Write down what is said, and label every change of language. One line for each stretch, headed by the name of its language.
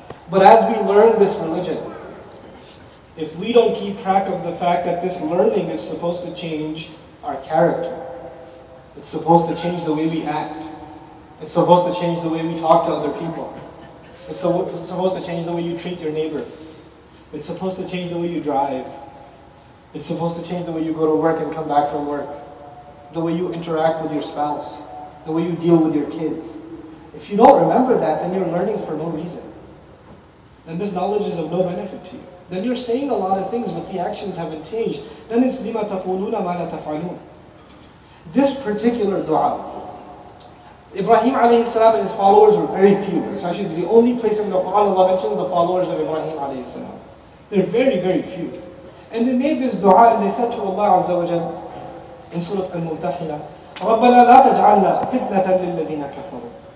English: But as we learn this religion, if we don't keep track of the fact that this learning is supposed to change our character, it's supposed to change the way we act, it's supposed to change the way we talk to other people, it's supposed to change the way you treat your neighbor, it's supposed to change the way you drive, it's supposed to change the way you go to work and come back from work, the way you interact with your spouse, the way you deal with your kids. If you don't remember that, then you're learning for no reason. And this knowledge is of no benefit to you. Then you're saying a lot of things, but the actions haven't changed. Then it's
Arabic: لِمَا تَقُولُونَ مَا لَا تَفْعَلُونَ.
English: This particular dua, Ibrahim alayhi salam and his followers were very few. It's actually the only place in the Quran Allah mentions the followers of Ibrahim alayhi salam. They're very, very few. And they made this dua and they said to Allah Azza wa Jal in Surah Al-Mumtahina,
Arabic: رَبَّنَا لَا تَجْعَلْنَا فِتْنَةً لِلَّذِينَ كَفَرُوا.